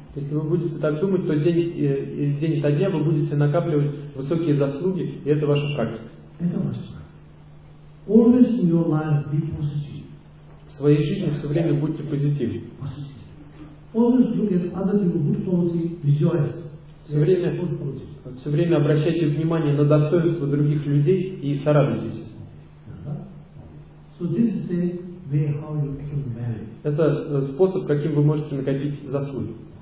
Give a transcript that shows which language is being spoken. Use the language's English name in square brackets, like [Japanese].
[Russian] Если вы будете так думать, то день ото дня вы будете накапливать высокие заслуги, и это ваша практика. [English] Always in your life be positive. [Russian] В своей жизни все время будьте позитивны. [English] Always look at other people good qualities, rejoice. [Russian] Все время обращайте внимание на достоинства других людей и сорадуйтесь. [English] So this is way how you can manage. [Russian] Это способ, каким вы можете накопить заслуги.